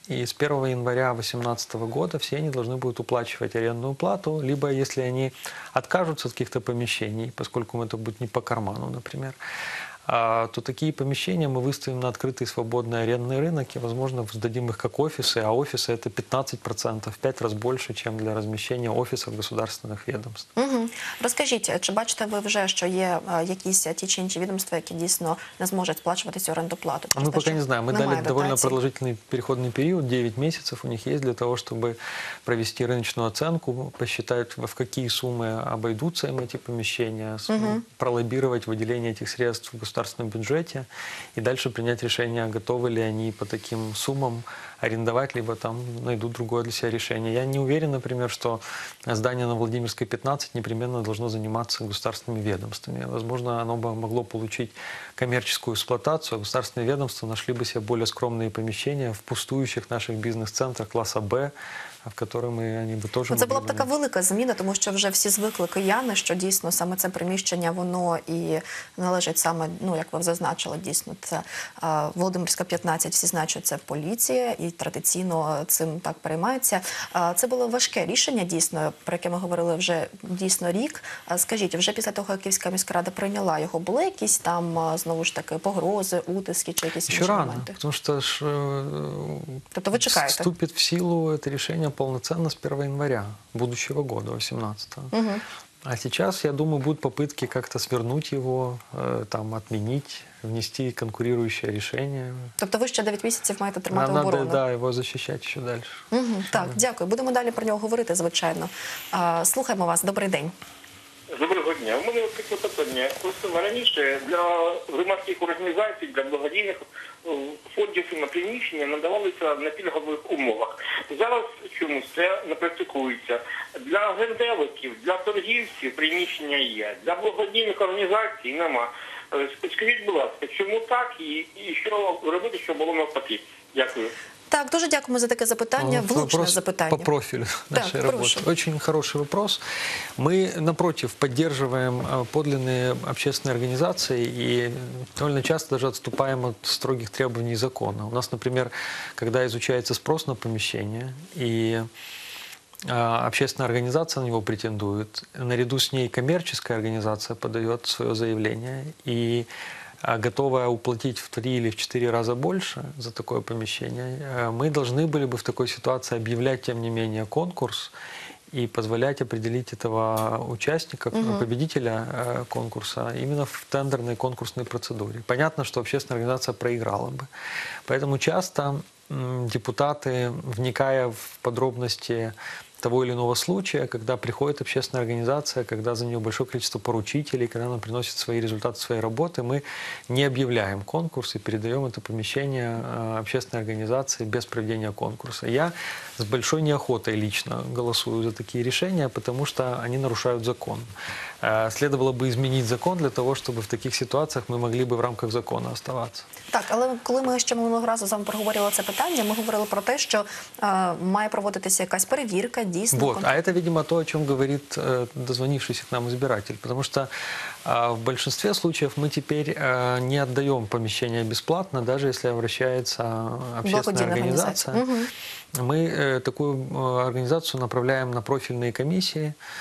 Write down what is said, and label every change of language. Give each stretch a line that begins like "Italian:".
Russian: И с 1 января 2018 года все они должны будут уплачивать арендную плату, либо если они откажутся от каких-то помещений, поскольку это будет не по карману, например, то такие помещения мы выставим на открытый свободный арендный рынок и, возможно, сдадим их как офисы, а офисы – это 15%, в 5 раз больше, чем для размещения офисов государственных ведомств. Угу. Расскажите,
Ukrainian: чи бачите ви вже, що є якісь ті чи інші відомства, які дійсно не зможуть сплачувати цю оренду плату?
Russian: Мы пока не знаем. Мы дали довольно продолжительный переходный период, 9 месяцев у них есть для того, чтобы провести рыночную оценку, посчитать, в какие суммы обойдутся им эти помещения, пролоббировать выделение этих средств в государственном бюджете и дальше принять решение, готовы ли они по таким суммам арендовать, либо там найдут другое для себя решение. Я не уверен, например, что здание на Владимирской 15 непременно должно заниматься государственными ведомствами. Возможно, оно бы могло получить коммерческую эксплуатацию, а государственные ведомства нашли бы себе более скромные помещения в пустующих наших бизнес-центрах класса «Б», в котором они бы тоже...
Ukrainian: Це була б така велика зміна, тому що вже всі звикли кияни, що дійсно саме це приміщення, воно і належить саме, ну, як ви зазначили, дійсно, це Володимирська 15, всі знають, що це поліція, і традиційно цим так переймається. Це було важке рішення, дійсно, про яке ми говорили вже дійсно рік. Скажіть, вже після того, як Київська міська рада прийняла його, були якісь там, знову ж таки, погрози, утиски, чи якісь інші моменти? Ще рано, тому що ж, тобто ви чекаєте?
Russian: Вступить в силу
Ukrainian: це рішення
Russian: полноценно с 1 января будущего года, 18-го. А сейчас, я думаю, будут попытки как-то свернуть его, там, отменить, внести конкурирующее решение. То есть вы еще 9 месяцев
Ukrainian: маете тримати оборону?
Russian: Надо, да, его защищать еще дальше.
Ukrainian: Угу. Так, дякую.
Russian: Будем далее про него говорить,
Ukrainian: звичайно. Слухаємо вас.
Russian: Добрый день.
Ukrainian: Доброго дня.
Russian: У меня такое питание. Раньше
Ukrainian: для громадських організацій, для благодійних фондів на приміщення надавалися на пільгових умовах. Зараз чомусь це не практикується. Для гендевиків, для торгівців приміщення є, для благодійних організацій нема. Скажіть, будь ласка, чому так і що робити, щоб було навпаки? Дякую. Так, дуже дякуємо за таке запитання. Влучне запитання. По профілю нашої роботи.
Russian: Очень хороший вопрос.
Ukrainian: Ми, напротив, підтримуємо подлинні общественні організації і довольно часто навіть відступаємо від строгих требувань закону. У нас, наприклад, коли ізучається спрос на поміщення і
Russian: общественная организация на него претендует, наряду с ней коммерческая организация подает свое заявление и готовая уплатить в 3 или 4 раза больше за такое помещение, мы должны были бы в такой ситуации объявлять, тем не менее, конкурс и позволять определить этого участника, победителя конкурса, именно в тендерной конкурсной процедуре. Понятно, что общественная организация проиграла бы. Поэтому часто депутаты, вникая в подробности того или иного случая, когда приходит общественная организация, когда за нее большое количество поручителей, когда она приносит свои результаты своей работы, мы не объявляем конкурс и передаем это помещение общественной организации без проведения конкурса. Я с большой неохотой лично голосую за такие решения, потому что они нарушают закон. Следовало бы изменить закон для того, чтобы в таких ситуациях мы могли бы в рамках закона оставаться.
Ukrainian: Так, але коли ми ще минулого разу з вами проговорювали це питання, ми говорили про те, що має проводитися якась перевірка, дійсно.
Russian: Вот, а это, видимо, то, о чем говорит дозвонившийся к нам избиратель, потому что в большинстве случаев мы теперь не отдаем помещение бесплатно, даже если обращается общественная организация. Мы такую организацию направляем на профильные комиссии.